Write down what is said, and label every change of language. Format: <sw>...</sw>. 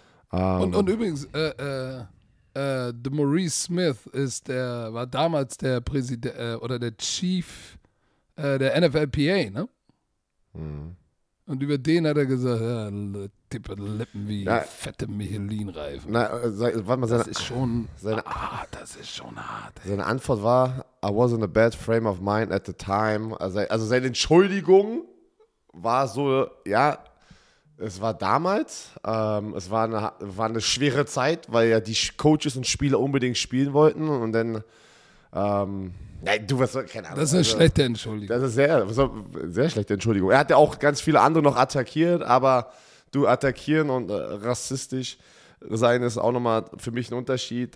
<de>Und übrigens, The Maurice Smith war damals der Präsident oder der Chief der NFLPA, ne? Mhm. Und über den hat er gesagt, ja, tippe Lippen wie fette Michelin-Reifen. Das ist schon hart. Ey. Seine Antwort war,</de> <en>I was in a bad frame of mind at the time.</en> <de>Also seine Entschuldigung war so, ja, es war damals, es war eine schwere Zeit, weil ja die Coaches und Spieler unbedingt spielen wollten. Und dann, keine Ahnung. Das ist eine schlechte Entschuldigung. Das ist sehr, sehr schlechte Entschuldigung. Er hat ja auch ganz viele andere noch attackiert, aber du attackieren und rassistisch sein ist auch nochmal für mich ein Unterschied.</de>